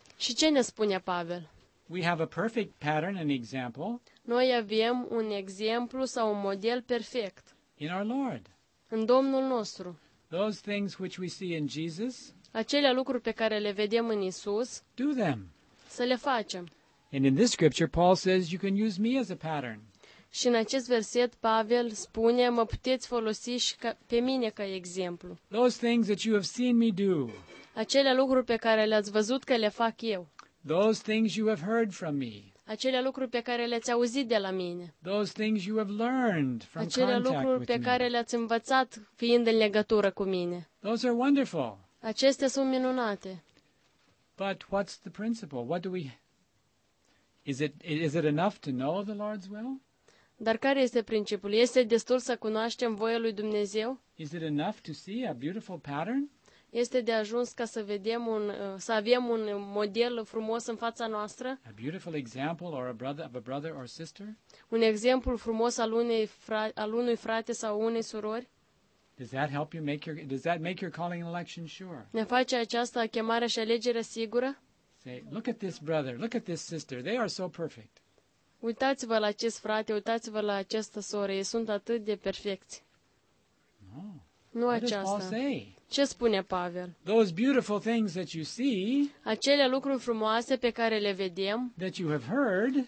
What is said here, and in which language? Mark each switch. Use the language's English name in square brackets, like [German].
[Romanian] Și ce ne spune Pavel? [English] We have a perfect pattern and example. [Romanian] Noi avem un exemplu sau un model perfect. [English] In our Lord. [Romanian] În Domnul nostru. [English] Those things which we see in Jesus. [Romanian] Acele lucruri pe care le vedem în Isus. [English] Do them. [Romanian] Să le facem. [English] And in this scripture Paul says you can use me as a pattern. [Romanian] Și în acest verset Pavel spune mă puteți folosi și pe mine ca exemplu. [English] Those things that you have seen me do. [Romanian] Acele lucruri pe care le-ați văzut că le fac eu. [English] Those things you have heard from me. [Romanian] Acele lucruri pe care le-ați auzit de la mine. [English] Those things you have learned from contact with me. [Romanian] Acele lucruri pe care le-ați învățat fiind în legătură cu mine. [English] Those are wonderful. [Romanian] Acestea sunt minunate. [English] But what's the principle? What do we? Is it enough to know the Lord's will? [Romanian] Dar care este principiul? Este destul să cunoaștem voia lui Dumnezeu? [English] Is it enough to see a beautiful pattern? [Romanian] Este de ajuns ca să vedem să avem un model frumos în fața noastră? [English] A beautiful example or a brother of a brother or sister? [Romanian] Un exemplu frumos al unui frate sau unei surori? [English] Does that help you make your calling and election sure? [Romanian] Ne face această chemare și alegere sigură? [English] Say, look at this brother, look at this sister. They are so perfect. [Romanian] Uitați-vă la acest frate, uitați-vă la această soră, ei sunt atât de perfecți. [English] No. [Romanian] Nu aceasta. Ce spune Pavel? [English] Those beautiful things that you see, [Romanian] acele lucruri frumoase pe care le vedem, [English] that you have heard,